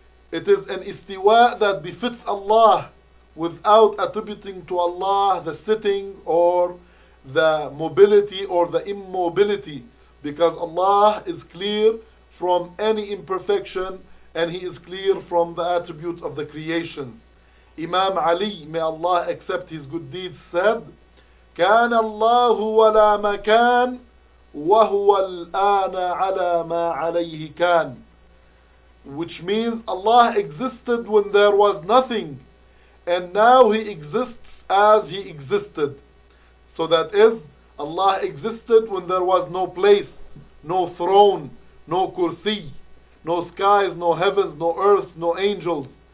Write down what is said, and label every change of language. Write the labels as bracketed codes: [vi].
[en] It is an istiwa that befits Allah without attributing to Allah the sitting or the mobility or the immobility, because Allah is clear from any imperfection, and he is clear from the attributes of the creations. Imam Ali, may Allah accept his good deeds, said, [ar] كان الله ولا مكان وهو الآن على ما عليه كان. [en] Which means Allah existed when there was nothing, and now he exists as he existed. So that is, Allah existed when there was no place, no throne, no kursi, no skies, no heavens, no earth, no angels.